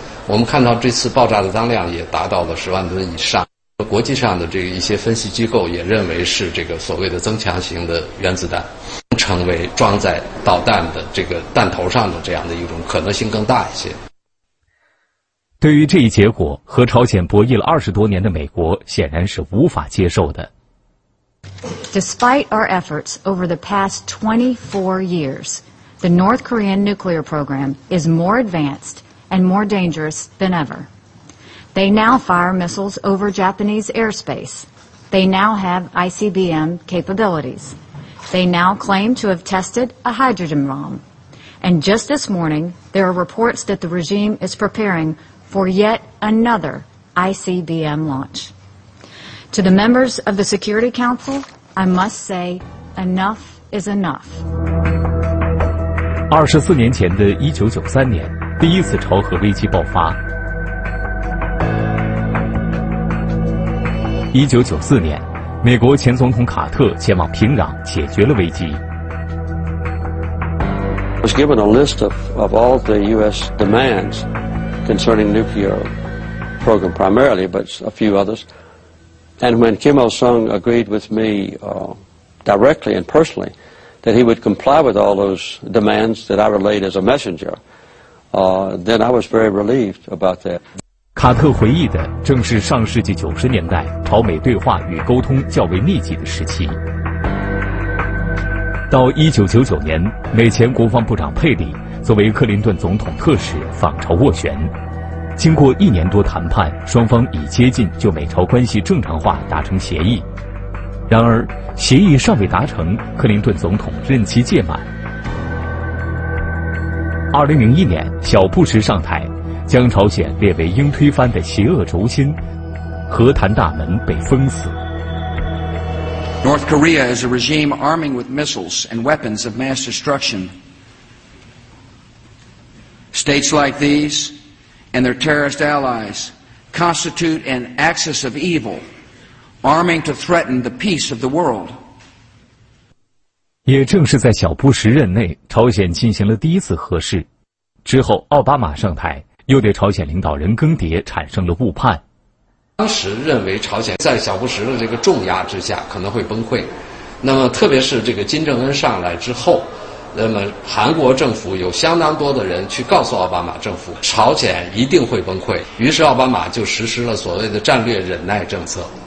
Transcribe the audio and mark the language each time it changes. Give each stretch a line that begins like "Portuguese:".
Chinese: 我们看到这次爆炸的当量也达到了10万吨以上，国际上的这个一些分析机构也认为是这个所谓的增强型的原子弹，成为装在导弹的这个弹头上的这样的一种可能性更大一些。对于这一结果，和朝鲜博弈了20多年的美国显然是无法接受的。
English: Despite our efforts over the past 24 years, the North Korean nuclear program is more advanced. And more dangerous than ever. They now fire missiles over Japanese airspace. They now have ICBM capabilities. They now claim to have tested a hydrogen bomb. And just this morning, there are reports that the regime is preparing for yet another ICBM launch. To the members of the Security Council, I must say, enough is enough.
Chinese: 24年前的1993年，第一次朝核危机爆发。 1994年，美国前总统卡特前往平壤解决了危机。
English: I was given a list of all the U.S. demands concerning nuclear program primarily, but a few others. And when Kim Il-sung agreed with me directly and personally that he would comply with all those demands that I relayed as a messenger, then I was very relieved about that.
Chinese: 卡特回忆的正是上世纪九十年代朝美对话与沟通较为密集的时期。到1999年，美前国防部长佩里作为克林顿总统特使访朝斡旋，经过一年多谈判，双方已接近就美朝关系正常化达成协议。然而协议尚未达成，克林顿总统任期届满。 2001年，小布什上台，将朝鲜列为应推翻的邪恶轴心，和谈大门被封死。
English: North Korea is a regime arming with missiles and weapons of mass destruction. States like these and their terrorist allies constitute an axis of evil, arming to threaten the peace of the world.
Chinese: 也正是在小布什任内，朝鲜进行了第一次核试。之后，奥巴马上台，又对朝鲜领导人更迭产生了误判。当时认为朝鲜在小布什的这个重压之下可能会崩溃，那么特别是这个金正恩上来之后，那么韩国政府有相当多的人去告诉奥巴马政府朝鲜一定会崩溃，于是奥巴马就实施了所谓的战略忍耐政策，